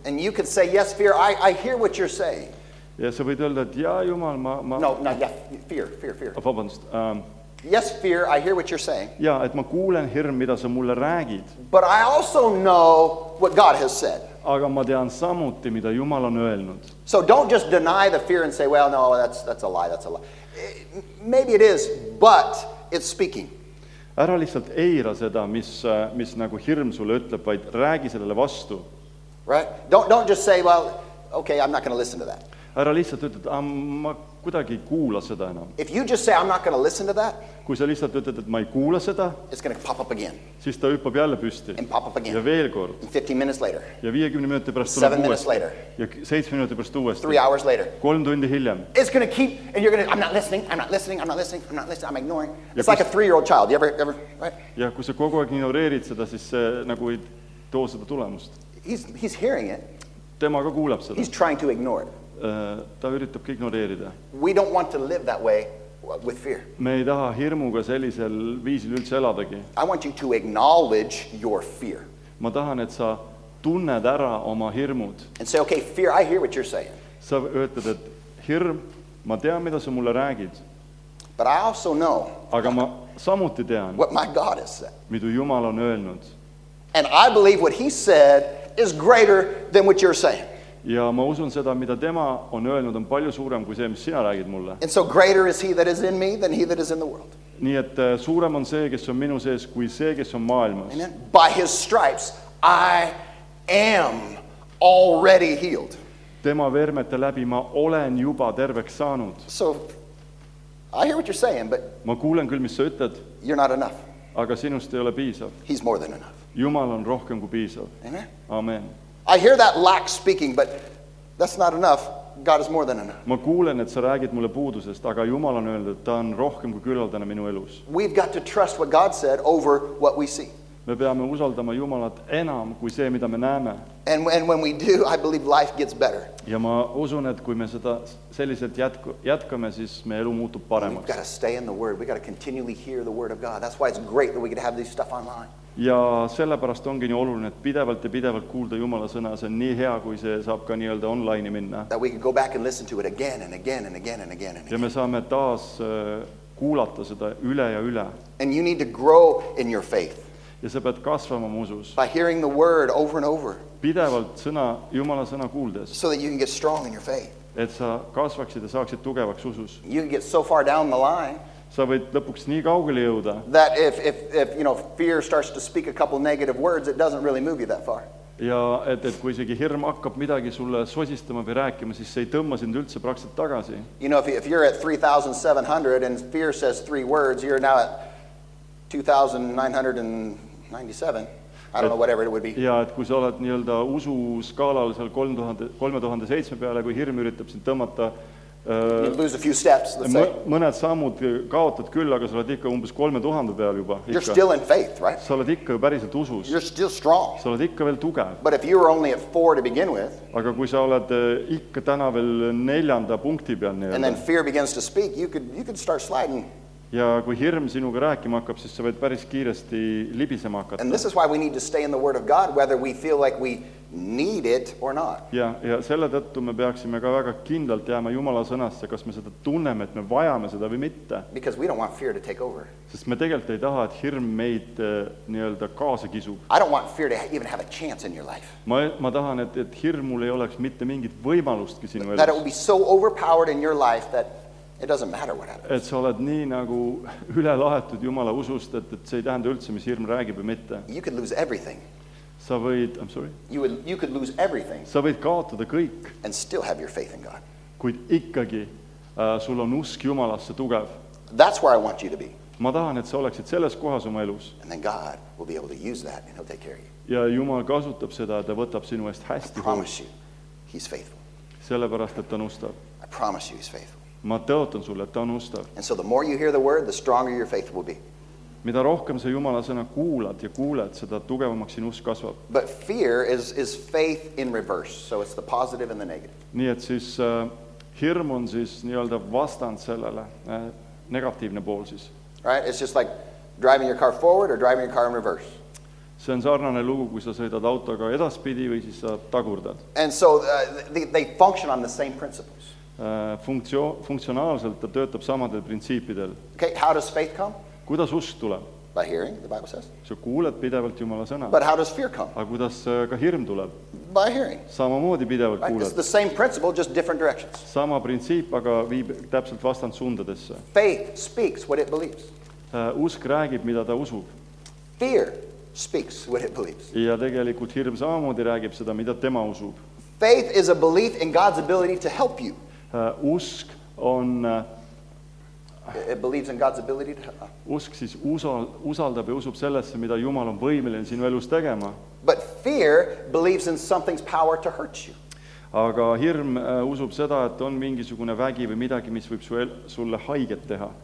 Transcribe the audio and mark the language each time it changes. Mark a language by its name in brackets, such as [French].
[English] And you can say, yes, fear, I hear what you're saying. [Estonian] Ja, sa võid öelda, et jah, Jumal, ma... [English] No, not yet. Fear. [Estonian] Oh, vabandust. [English] Yes, fear, I hear what you're saying. [Estonian] Ja, et ma kuulen hirm, mida sa mulle räägid. [English] But I also know what God has said. [Estonian] Aga ma tean samuti, mida Jumal on öelnud. [English] So don't just deny the fear and say, well, no, that's a lie. Maybe it is, but it's speaking. [Estonian] Ära lihtsalt eira seda, mis nagu hirm sulle ütleb, vaid räägi sellele vastu. [English] Right? Don't just say, well, okay, I'm not going to listen to that. [Estonian] Ära lihtsalt ütled, ma kuidagi ei kuula seda enam. [English] If you just say, I'm not going to listen to that, [Estonian] kui sa lihtsalt ütled, et ma ei kuula seda, [English] it's going to pop up again. [Estonian] Siis ta hüppab jälle püsti. [English] And pop up again. [Estonian] Ja veel kord. [English] And 15 minutes later. [Estonian] Ja 50 minuti pärast tuleb uuesti. [English] 7 minutes later. [Estonian] Ja 7 minuti pärast uuesti. [English] 3 hours later. [Estonian] 3 tundi hiljem. [English] It's going to keep, and you're going to, I'm not listening, I'm ignoring. It's like a 3-year-old child. You ever, right? [Estonian] Ja kui sa kogu aeg ignoreerid seda, siis see nagu ei too seda tulemust. [English] He's hearing it. [Estonian] Tema ka kuulab seda. [English] He's trying to ignore it. [Estonian] Ta üritab ka ignoreerida. [English] We don't want to live that way with fear. [Estonian] Me ei taha hirmuga sellisel viisil üldse eladagi. [English] I want you to acknowledge your fear. [Estonian] Ma tahan, et sa tunned ära oma hirmud. [English] And say, okay, fear, I hear what you're saying. [Estonian] Sa ütled, et hirm, ma tean, mida sa mulle räägid. [English] But I also know [Estonian] aga ma samuti tean, [English] what my God has said. [Estonian] Mida Jumal on öelnud. [English] And I believe what he said is greater than what you're saying. [Estonian] Ja ma usun seda, mida tema on öelnud, on palju suurem kui see, mis sina räägid mulle. [English] And so greater is he that is in me than he that is in the world. [Estonian] Nii et suurem on see, kes on minu sees, kui see, kes on maailmas. [English] Amen. By his stripes, I am already healed. [Estonian] Tema vermete läbi ma olen juba terveks saanud. [English] So, I hear what you're saying, but [Estonian] ma kuulen küll, mis sa ütled. [English] You're not enough. [Estonian] Aga sinust ei ole piisav. [English] He's more than enough. [Estonian] Jumal on rohkem kui piisav. [English] Amen. Amen. I hear that lack speaking, but that's not enough. God is more than enough. [Estonian] Ma kuulen, et sa räägid mulle puudusest, aga Jumal on öelnud, et ta on rohkem kui küllaldane minu elus. [English] We've got to trust what God said over what we see. [Estonian] Me peame usaldama Jumalat enam kui see, mida me näeme. [English] And when we do, I believe life gets better. [Estonian] Ja ma usun, et kui me seda selliselt jätkame, siis me elu muutub paremaks. [English] We've got to stay in the Word. We've got to continually hear the Word of God. That's why it's great that we could have this stuff online. [Estonian] Ja sellepärast ongi nii oluline, et pidevalt ja pidevalt kuulda Jumala sõna, see on nii hea, kui see saab ka nii-öelda online minna. [English] That we can go back and listen to it again and again and again and again and again. [Estonian] Ja me saame taas kuulata seda üle ja üle. [English] And you need to grow in your faith. [Estonian] Ja sa pead kasvama usus. [English] By hearing the word over and over. [Estonian] Pidevalt sõna, Jumala sõna kuuldes. [English] So that you can get strong in your faith. [Estonian] Et sa kasvaksid ja saaksid tugevaks usus. [English] You can get so far down the line. [Estonian] Sa võid lõpuks nii kaugele jõuda. [English] That if you know fear starts to speak a couple negative words, it doesn't really move you that far. [Estonian] Ja et kui isegi hirm hakkab midagi sulle sosistama või rääkima, siis see ei tõmma sind üldse praktiliselt tagasi. [English] You know, if you're at 3,700 and fear says 3 words, you're now at 2,997. I don't know whatever it would be. [Estonian] Ja et kui sa oled nii-öelda usu skaalal seal 3,007 peale, kui hirm üritab sind tõmmata, [English] you lose a few steps, let's say. [Estonian] Mõned sammud kaotad küll, aga sa oled ikka umbes 3000 peal juba. [English] You're still in faith, right? [Estonian] Sa oled ikka päriselt usus. [English] You're still strong. [Estonian] Sa oled ikka veel tugev. [English] But if you were only at 4 to begin with, [Estonian] aga kui sa oled ikka täna veel neljanda punkti peal, [English] and then fear begins to speak, you could start sliding. [Estonian] Ja kui hirm sinuga rääkima hakkab, siis sa võid päris kiiresti libisema hakata. [English] And this is why we need to stay in the Word of God, whether we feel like we need it or not. [Estonian] Ja selle tõttu me peaksime ka väga kindlalt jääma Jumala sõnasse, kas me seda tunneme, et me vajame seda või mitte. [English] Because we don't want fear to take over. [Estonian] Sest me tegelikult ei taha, et hirm meid nii-öelda kaasa kisub. [English] I don't want fear to even have a chance in your life. [Estonian] Ma tahan, et hirmul ei oleks mitte mingit võimalustki sinu elus. [English] That it will be so overpowered in your life that it doesn't matter what happens. [Estonian] Et sa oled nii nagu üle lahetud Jumala usust, et see ei tähenda üldse, mis hirm räägib või mitte. [English] You could lose everything. [Estonian] Sa võid, [English] I'm sorry. You could lose everything. [Estonian] Sa võid kaotada kõik. [English] And still have your faith in God. [Estonian] Kuid ikkagi sul on usk Jumalasse tugev. [English] That's where I want you to be. [Estonian] Ma tahan, et sa oleksid selles kohas oma elus. [English] And then God will be able to use that and he'll take care of you. [Estonian] Ja Jumal kasutab seda, ta võtab sinu eest hästi. [English] I promise you, he's faithful. [Estonian] Sellepärast, et ta on ustav. [English] I promise you, he's faithful. [Estonian] Ma tõotan sulle, et ta on ustav. [English] And so the more you hear the word, the stronger your faith will be. [Estonian] Mida rohkem sa Jumala sõna kuulad ja kuuled, seda tugevamaks sinu usk kasvab. [English] But fear is faith in reverse, so it's the positive and the negative. [Estonian] Nii et siis hirm on siis nii-öelda vastand sellele, negatiivne pool siis. [English] Right, it's just like driving your car forward or driving your car in reverse. [Estonian] See on sarnane lugu, kui sa sõidad autoga edaspidi või siis sa tagurdad. [English] And so they function on the same principles. [Estonian] funktsionaalselt ta töötab samadel printsiipidel. [English] Okay, how does faith come? [Estonian] Kuidas usk tuleb? [English] By hearing, the Bible says. [Estonian] Sa kuuled pidevalt Jumala sõna. [English] But how does fear come? [Estonian] Aga kuidas ka hirm tuleb? [English] By hearing. [Estonian] Samamoodi pidevalt [English] right? [Estonian] kuuled. [English] It's the same principle, just different directions. [Estonian] Sama printsiip, aga viib täpselt vastand suundadesse. [English] Faith speaks what it believes. [Estonian] Usk räägib, mida ta usub. [English] Fear speaks what it believes. [Estonian] Ja tegelikult hirm samamoodi räägib seda, mida tema usub. [English] Faith is a belief in God's ability to help you. [Estonian] Usk on [English] it believes in God's ability to [Estonian] usk siis usaldab ja usub sellesse, mida Jumal on võimeline sinu elus tegema. [English] But fear believes in something's power to hurt you. [Estonian] Aga hirm usub seda, et on mingisugune vägi või midagi, mis võib sulle haiget teha.